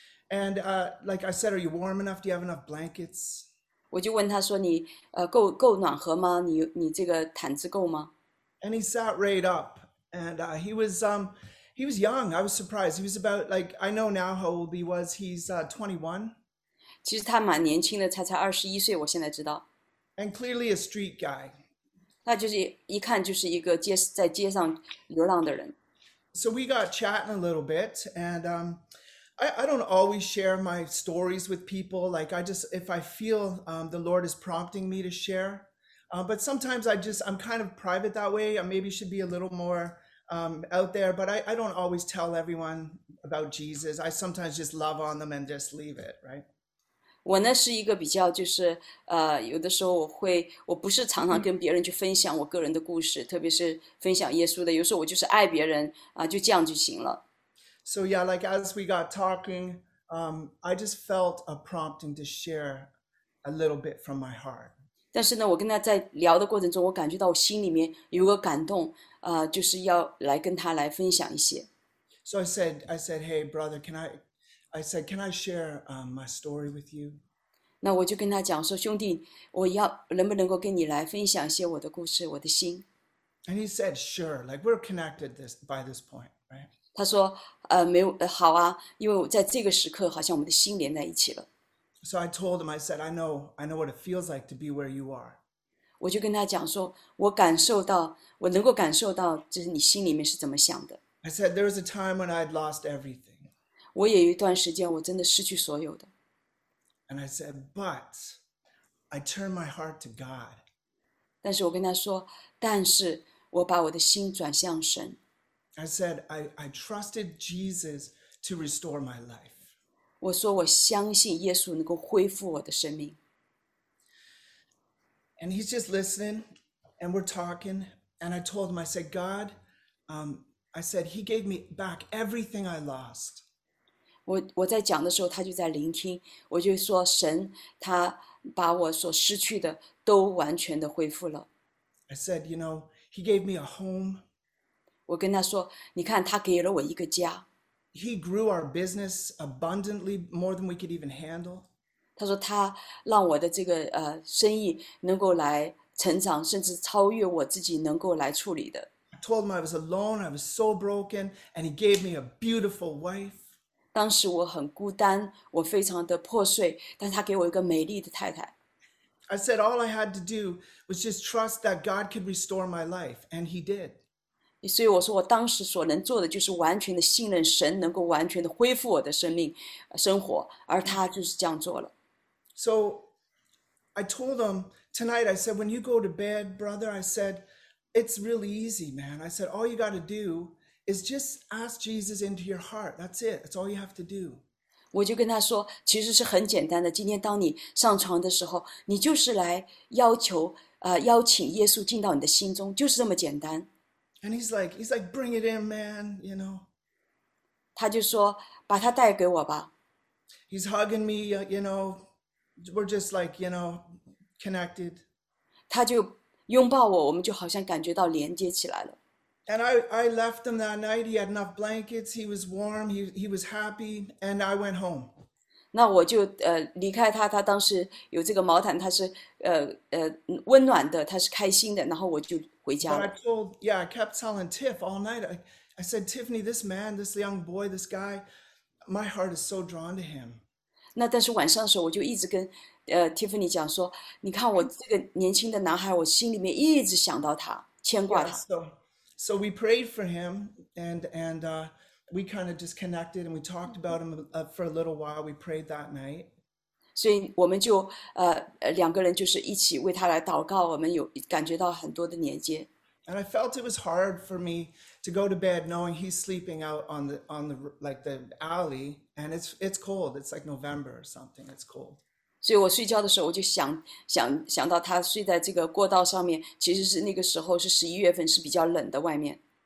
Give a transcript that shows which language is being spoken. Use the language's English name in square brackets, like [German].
[English] And like I said, are you warm enough? Do you have enough blankets? ？” [Chinese] 我就问他说你：“你够暖和吗？你这个毯子够吗？” [English] And he sat right up and he was young. I was surprised. He was about like, I know now how old he was. He's 21. [Chinese] 其实他蛮年轻的，才21岁，我现在知道。 [English] And clearly a street guy. [Chinese] 那就是一看就是一个在街上流浪的人。 [English] So we got chatting a little bit and I don't always share my stories with people. Like I just, if I feel the Lord is prompting me to share, but sometimes I'm kind of private that way. I maybe should be a little more out there, but I don't always tell everyone about Jesus. I sometimes just love on them and just leave it, right? [Chinese] 我呢是一个比较，就是有的时候我不是常常跟别人去分享我个人的故事，特别是分享耶稣的。有时候我就是爱别人就这样就行了。 [English] So yeah, like as we got talking, I just felt a prompting to share a little bit from my heart. [Chinese] 但是呢，我跟他在聊的过程中，我感觉到我心里面有个感动，就是要来跟他来分享一些。 [English] So I said, hey brother, can I share my story with you? [Chinese] 那我就跟他讲说，兄弟，我要能不能够跟你来分享一些我的故事，我的心。 [English] And he said, sure, like we're connected this by this point, right? [Chinese] 他说没有好啊，因为我在这个时刻好像我们的心连在一起了。 [English] So I told him, I said, I know what it feels like to be where you are. [Chinese] 我就跟他讲说，我能够感受到，就是你心里面是怎么想的。 [English] I said, there was a time when I'd lost everything. [Chinese] 我也有一段时间，我真的失去所有的。 [English] And I said, but I turned my heart to God. [Chinese] 但是我跟他说，但是我把我的心转向神。 [English] I said, I trusted Jesus to restore my life. [Chinese] 我说我相信耶稣能够恢复我的生命。 [English] And he's just listening, and we're talking. And I told him, I said, God, I said, he gave me back everything I lost. [Chinese] 我在讲的时候，他就在聆听。我就说，神，他把我所失去的都完全的恢复了。 [English] I said, you know, he gave me a home. [Chinese] 我跟他说，你看，他给了我一个家。 [English] He grew our business abundantly more than we could even handle. [Chinese] 他说，他让我的这个生意能够来成长，甚至超越我自己能够来处理的。 [English] I told him I was alone, I was so broken, and he gave me a beautiful wife. [Chinese] 当时我很孤单，我非常的破碎，但他给我一个美丽的太太。 [English] I said all I had to do was just trust that God could restore my life, and He did. [Chinese] 所以我说，我当时所能做的就是完全的信任神，能够完全的恢复我的生命、生活，而他就是这样做了。 [English] So I told him tonight, I said, when you go to bed, brother, I said, it's really easy, man. I said, all you got to do. Is just ask Jesus into your heart. That's it. That's all you have to do. [Chinese] 我就跟他说，其实是很简单的。今天当你上床的时候，你就是来邀请耶稣进到你的心中，就是这么简单。 [English] And he's like, bring it in, man. You know. [Chinese] 他就说，把它带给我吧。 [English] He's hugging me. You know, we're just like, you know, connected. [Chinese] 他就拥抱我，我们就好像感觉到连接起来了。 [English] And I left him that night. He had enough blankets. He was warm. He was happy. And I went home. [Chinese] 那我就离开他，他当时有这个毛毯，他是温暖的，他是开心的，然后我就回家了。 [English] But I told, yeah, I kept telling Tiff all night. I said, Tiffany, this man, this young boy, this guy, my heart is so drawn to him. [Chinese] 那但是晚上的时候，我就一直跟Tiffany 讲说，你看我这个年轻的男孩，我心里面一直想到他，牵挂他。 [English] Yeah, so. So we prayed for him, and we kind of just connected, and we talked about him for a little while. We prayed that night. [Chinese] 所以我们就两个人就是一起为他来祷告，我们有感觉到很多的连接。 [English] And I felt it was hard for me to go to bed knowing he's sleeping out on the alley, and it's cold. It's like November or something. It's cold. [Chinese] 所以我睡觉的时候，我就想到他睡在这个过道上面，其实是那个时候是11月份，是比较冷的外面。